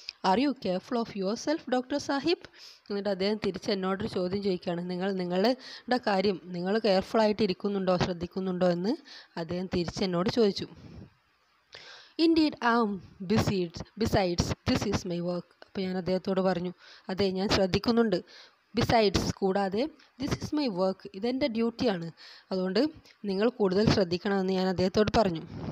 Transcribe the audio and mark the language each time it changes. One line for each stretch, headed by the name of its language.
English: are you careful of your self doctor sahib,
Malayalam: എന്നിട്ട് അദ്ദേഹം തിരിച്ച് എന്നോടൊരു ചോദ്യം ചോദിക്കുകയാണ്, നിങ്ങൾ നിങ്ങളുടെ കാര്യം നിങ്ങൾ കെയർഫുള്ളായിട്ട് ഇരിക്കുന്നുണ്ടോ, ശ്രദ്ധിക്കുന്നുണ്ടോ എന്ന് അദ്ദേഹം തിരിച്ച് എന്നോട് ചോദിച്ചു.
English: Indeed, I am busy. Besides, this is my work.
Malayalam: അപ്പോൾ ഞാൻ അദ്ദേഹത്തോട് പറഞ്ഞു, അതെ, ഞാൻ ശ്രദ്ധിക്കുന്നുണ്ട്.
English: Besides,
Malayalam: കൂടാതെ,
English: this is my work.
Malayalam: ഇതെൻ്റെ ഡ്യൂട്ടിയാണ്, അതുകൊണ്ട് നിങ്ങൾ കൂടുതൽ ശ്രദ്ധിക്കണമെന്ന് ഞാൻ അദ്ദേഹത്തോട് പറഞ്ഞു.